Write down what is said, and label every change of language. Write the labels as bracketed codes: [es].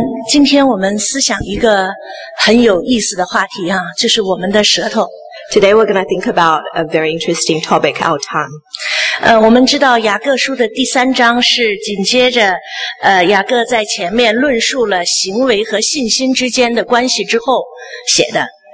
[zh] 今天我们思想一个很有意思的话题啊，就是我们的舌头。 [en] Today we're going to think about a very interesting topic, our tongue. [zh] 我们知道雅各书的第三章是紧接着雅各在前面论述了行为和信心之间的关系之后写的。